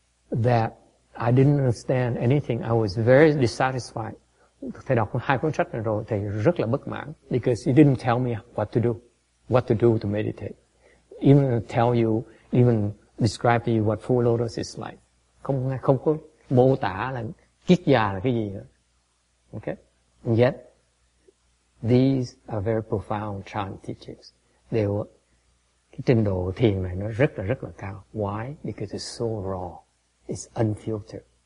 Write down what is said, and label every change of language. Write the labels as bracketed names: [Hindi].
[English] that I didn't understand anything. I was very dissatisfied. [Vietnamese] Thầy đọc hai cuốn sách này rồi, thầy rất là bất mãn. [English] Because he didn't tell me what to do to meditate. Even tell you, even describe to you what Four Lotus is like. [Vietnamese] Không có mô tả là kiết già là cái gì nữa. [English] Okay? And yet, these are very profound Chan teachings. They were, [Vietnamese] cái trình độ thiền này nó rất là cao. [English] Why? Because it's so raw. It's unfiltered.